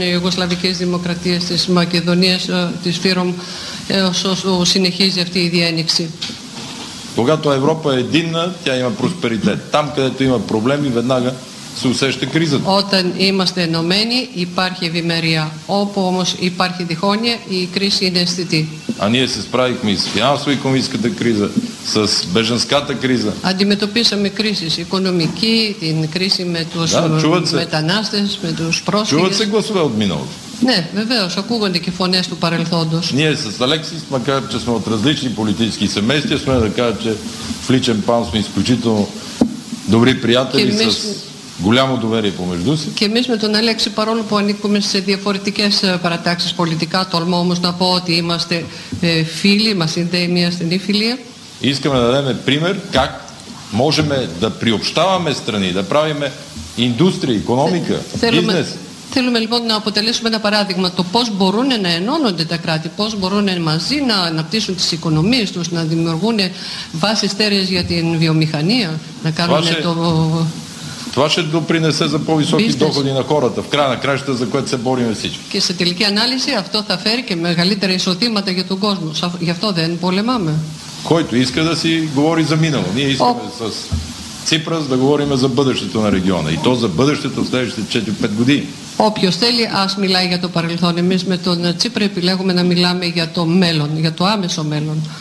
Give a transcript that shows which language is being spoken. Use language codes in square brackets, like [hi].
[el] Ιουγκοσλαβικής Δημοκρατίας της Μακεδονίας, της ΦΥΡΟΜ, όσο συνεχίζει αυτή η διένυξη? [bg] Когато Европа е единна, тя има просперитет. Там, където има проблеми, веднага се усеща кризата. [el] Όταν είμαστε ενωμένοι, υπάρχει ευημερία. Όπου όμως υπάρχει διχόνια, η κρίση είναι αισθητή. [bg] А ние се справихме с финансово-икономическата криза, с бежанската криза. [el] Αντιμετωπίσαμε κρίσεις, οικονομική, την κρίση με τους μετανάστες, με τους πρόσφυγες. [bg] Чуват се гласове от миналото. [el] Ναι, βεβαίως, ακούγονται και φωνές του παρελθόντος. [bg] Ние с Алексис, макар че сме от различни политически семейства, сме да кажа, че в личен план сме изключително добри приятели с голямо доверие помежду си. [el] Και εμείς με τον Алексис, παρόλο που ανήκουμε σε διαφορετικές παρατάξεις πολιτικά, τολμώ όμως να πω ότι είμαστε φίλοι, μας συνδέει μια στενή φιλία. [bg] Искаме да дадем пример как можем да приобщаваме страни, да правим индустрия, икономика, бизнес. [el] Θέλουμε λοιπόν να αποτελέσουμε ένα παράδειγμα το πώς μπορούν να ενώνονται τα κράτη, πώς μπορούν μαζί να αναπτύσσουν τις οικονομίες τους, να δημιουργούν βάσεις τέρες για την βιομηχανία, να κάνουν το... [bg] Това ще допринесе за по-високи доходи на хората, в края на краищата, за което се борим всички. [el] Και σε τελική ανάλυση αυτό θα φέρει και μεγαλύτερα εισοδήματα για τον κόσμο. Γι' αυτό δεν πολεμάμε. [bg] Който иска да си говори за минало. Ние искаме с Ципрас да говорим за бъдещето на региона. И то за бъдещето в следващите 4-5 години. [el] Όποιος θέλει, ας μιλάει για το παρελθόν. Εμείς με τον Τσίπρα επιλέγουμε να μιλάμε για το μέλλον, για το άμεσο μέλλον.